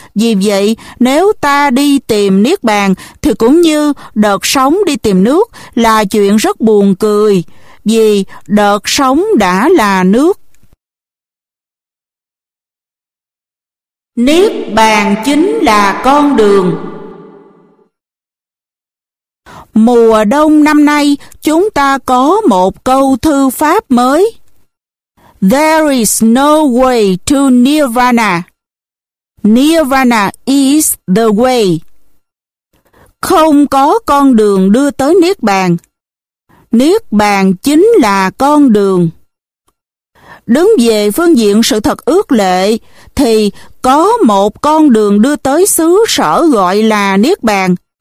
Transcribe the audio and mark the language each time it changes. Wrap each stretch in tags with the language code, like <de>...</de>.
<vi>Vì vậy, nếu ta đi tìm niết bàn thì cũng như đợt sóng đi tìm nước là chuyện rất buồn cười, vì đợt sóng đã là nước. Niết bàn chính là con đường. Mùa đông năm nay, chúng ta có một câu thư pháp mới.</vi> <en>There is no way to Nirvana. Nirvana is the way.</en> <vi>Không có con đường đưa tới Niết bàn. Niết bàn chính là con đường. Đứng về phương diện sự thật ước lệ, thì có một con đường đưa tới xứ sở gọi là Niết bàn.</vi>